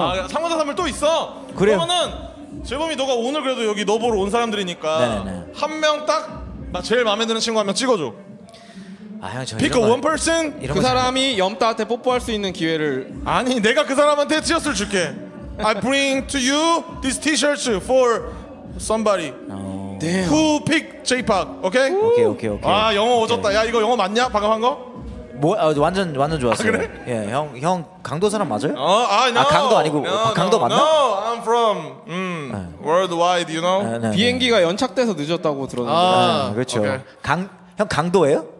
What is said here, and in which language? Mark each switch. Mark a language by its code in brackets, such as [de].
[ko] 아 참여자 선물 또 있어? 그래요. 그러면은 재범이 너가 오늘 그래도 여기 너 보러 온 사람들이니까 한 명 딱 나 제일 마음에 드는 친구 한 명 찍어줘. 아 형 저 [en] Pick one person. [ko] 그 사람이 염따한테 뽀뽀할 수 있는 기회를. 아니 내가 그 사람한테 티셔츠를 줄게. [en] I bring to you this t-shirt for somebody. Damn. Who pick J-Park? Okay? Okay. [ko] 아 영어 오졌다. 야 이거 영어 맞냐? 방금 한 거? 뭐 아, 완전 좋았어요. 아, 그래? 예, 형 강도 사람 맞아요? 아, 강도 아니고 강도 맞나? [en] No, I'm from worldwide, you know. [ko] 네. 비행기가 연착돼서 늦었다고 들었는데. 아, 네, 그렇죠. 형 강도예요?